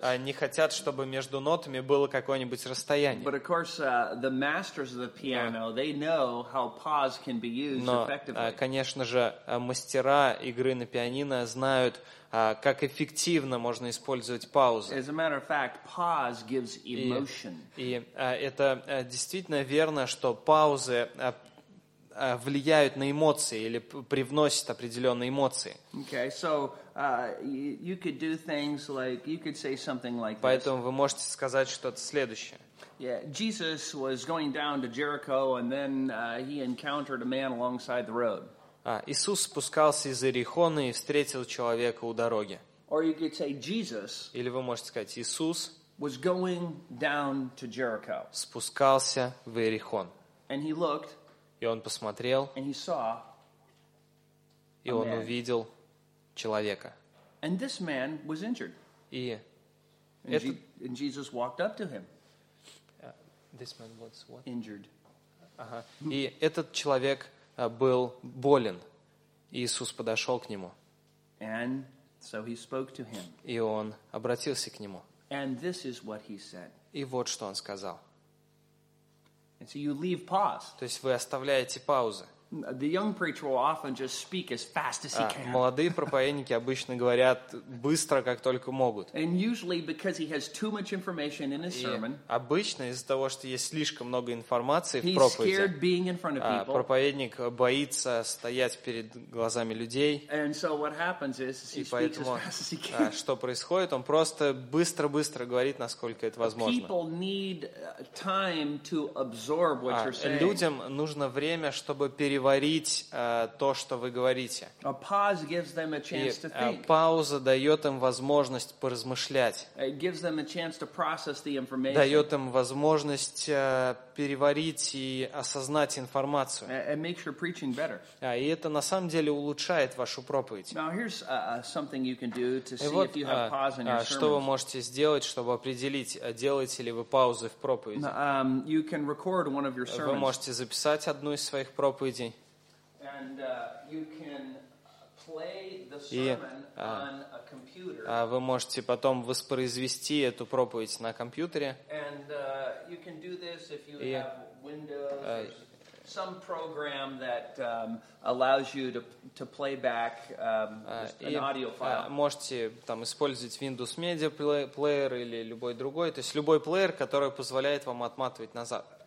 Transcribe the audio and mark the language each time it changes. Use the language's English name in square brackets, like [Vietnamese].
[Russian] И они хотят, чтобы между нотами было какое-нибудь расстояние. [English] But of course, the masters of the piano, they know how pause can be used effectively. [Russian] Но, конечно же, мастера игры на пианино знают, как эффективно можно использовать паузы. [English] As a matter of fact, pause gives emotion. [Russian] И это действительно верно, что паузы влияют на эмоции или привносят определенные эмоции. [English] Okay, so you could do things like you could say something like this. [Russian] Поэтому вы можете сказать что-то следующее. [English] Yeah, Jesus was going down to Jericho, and then he encountered a man alongside the road. [Russian] Иисус спускался из Иерихона и встретил человека у дороги. [English] Or you could say Jesus. [Russian] Или вы можете сказать Иисус. [English] Was going down to Jericho. [Russian] Спускался в Иерихон. [English] And he looked. [Russian] И он посмотрел, [English] and he saw [Russian] и он увидел человека. [English] And this man was injured. [Russian] И [English] and Jesus walked up to him. This man was what? Injured. [Russian] И этот человек был болен. И Иисус подошел к нему. [English] And so he spoke to him. [Russian] И он обратился к нему. [English] And this is what he said. [Russian] И вот что он сказал. [English] And so you leave pause. [Russian] То есть вы оставляете паузы. [English] The young preacher will often just speak as fast as he can. [Russian] Молодые проповедники обычно говорят быстро, как только могут. [English] And usually because he has too much information in his sermon. [Russian] Обычно из-за того, что есть слишком много информации в проповеди. [English] He's scared being in front of people. [Russian] Проповедник боится стоять перед глазами людей. [English] And so what happens is he speaks as fast as he can. [Russian] Что происходит? Он просто быстро-быстро говорит, насколько это возможно. [English] People need time to absorb what you're saying. [Russian] Людям нужно время, чтобы переварить то, что вы говорите. [English] A pause gives them a chance [Russian] и [English] to think. [Russian] Пауза дает им возможность поразмышлять. [English] It gives them a chance to process the information. [Russian] Дает им возможность переварить и осознать информацию. [English] It makes your preaching better. [Russian] И это на самом деле улучшает вашу проповедь. [English] Now here's something you can do to see [Russian] вот, [English] if you have pause in your sermon. [Russian] Что вы можете сделать, чтобы определить, делаете ли вы паузы в проповеди? [English] You can record one of your sermons. [Russian] Вы можете записать одну из своих проповедей. [English] And you can play the sermon on a computer. [Russian] Вы можете потом воспроизвести эту проповедь на компьютере. [English] And you can do this if you have Windows. some program that allows you to play back an audio file. [Russian] Можете там использовать Windows Media Player или любой другой, то есть любой плеер, который позволяет вам отматывать назад.